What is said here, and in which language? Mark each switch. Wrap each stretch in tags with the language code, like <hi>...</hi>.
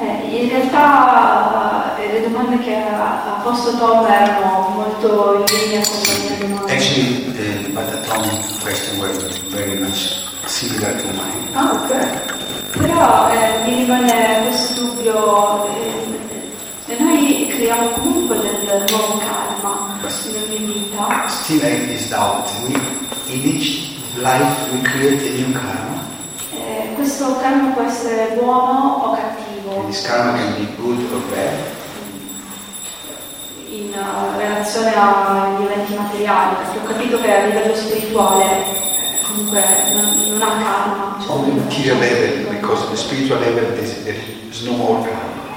<it>in realtà le domande che ha posto Tom erano molto in linea con la mia domanda.</it> <en>But Tom's question was very much similar to mine.</en> <it>Ah, ok. Però mi rimane questo dubbio. Noi creiamo comunque del nuovo karma nella mia vita.</it> <en>Still I have this doubt. In each life we create a new karma.</en> <it>Questo karma può essere buono o cattivo.</it> <en>And this karma can be good or bad.</en> <it>In relazione agli eventi materiali, ho capito che a livello spirituale comunque non ha karma.</it> <en>On the material level, because the spiritual level there is no more karma.</en>